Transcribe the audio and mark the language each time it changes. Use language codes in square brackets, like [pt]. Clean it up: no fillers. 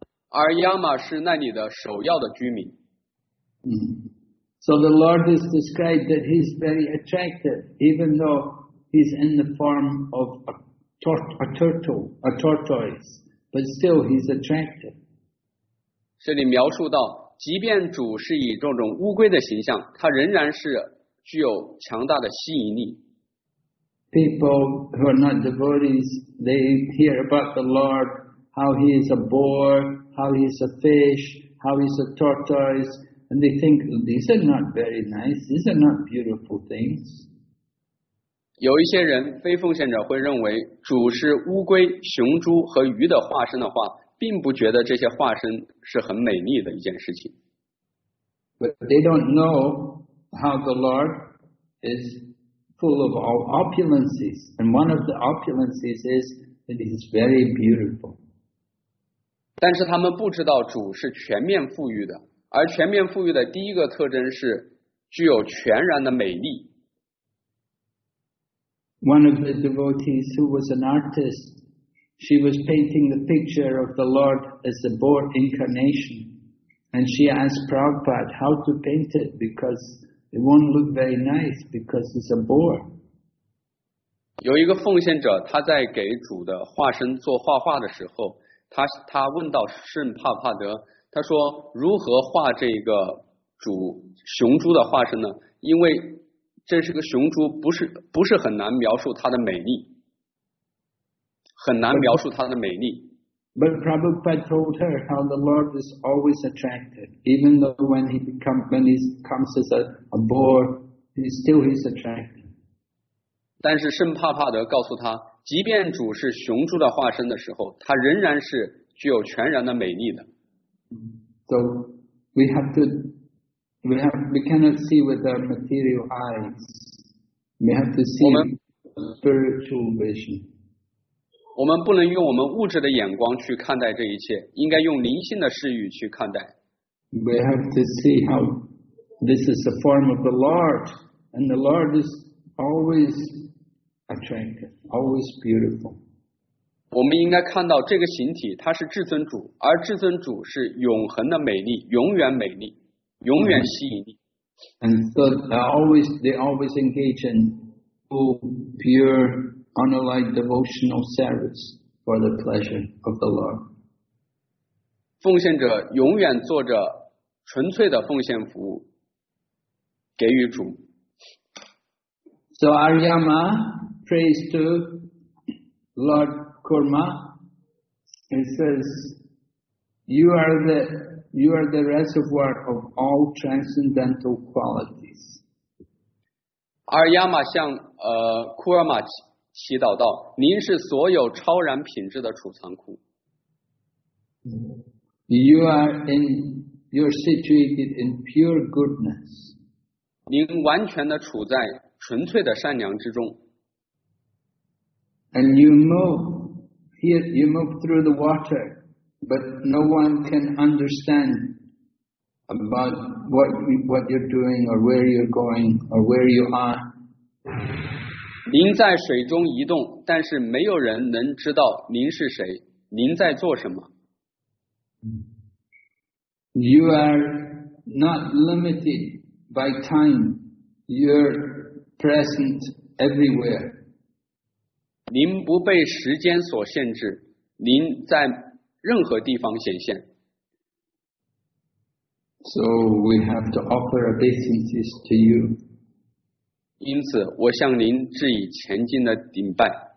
[zh] Aryama 是那里的首要的居民。 [en] So the Lord is described that he's very attractive, even though he's in the form of a tortoise, but still he's attractive. [zh] 这里描述到，即便主是以这种乌龟的形象，他仍然是具有强大的吸引力。 [en] People who are not devotees, they hear about the Lord, how he is a boar, how he is a fish, how he is a tortoise, and they think these are not very nice, these are not beautiful things. [zh] 有一些人非奉献者会认为主是乌龟、雄猪和鱼的化身的话，并不觉得这些化身是很美丽的一件事情。 [en] But they don't know how the Lord is. Full of all opulences, and one of the opulences is that he is very beautiful. [zh] 但是他们不知道主是全面富裕的，而全面富裕的第一个特征是具有全然的美丽。 [en] One of the devotees who was an artist, she was painting the picture of the Lord as the boar incarnation, and she asked Prabhupada how to paint it because. It won't look very nice because it's a boar. [zh] 有一个奉献者，他在给主的化身做画画的时候，他问到圣帕帕德，他说如何画这个主雄猪的化身呢？因为这是个雄猪，不是很难描述它的美丽，很难描述它的美丽。 [en] But Prabhupada told her how the Lord is always attractive, even though when he comes as a boar, he still is attractive. [zh] 但是圣帕帕德告诉他，即便主是雄猪的化身的时候，他仍然是具有全然的美丽的。 [en] So we cannot see with our material eyes. We have to see spiritual vision. [zh] 我们不能用我们物质的眼光去看待这一切，应该用灵性的视域去看待。 [en] We have to see how this is the form of the Lord, and the Lord is always attractive, always beautiful. [zh] 我们应该看到这个形体，它是至尊主，而至尊主是永恒的美丽，永远美丽，永远吸引力。 [en] And so they always engage in full, pure. Unlike devotional service for the pleasure of the Lord. [zh] 奉献者永远做着纯粹的奉献服务，给予主。 [en] So Aryama prays to Lord Kurma and says, You are the reservoir of all transcendental qualities. [zh] Aryama 向Kurma祈祷道，您是所有超然品质的储藏库。 [en] You are situated in pure goodness. [zh] 您完全的处在纯粹的善良之中。 [en] And you move through the water, but no one can understand about what you're doing or where you're going or where you are. [zh] 您在水中移动，但是没有人能知道您是谁，您在做什么。 [en] You are not limited by time. You're present everywhere. [zh] 您不被时间所限制，您在任何地方显现。 [en] So we have to offer obeisances to you. [zh] 因此我向您致以虔敬的顶拜。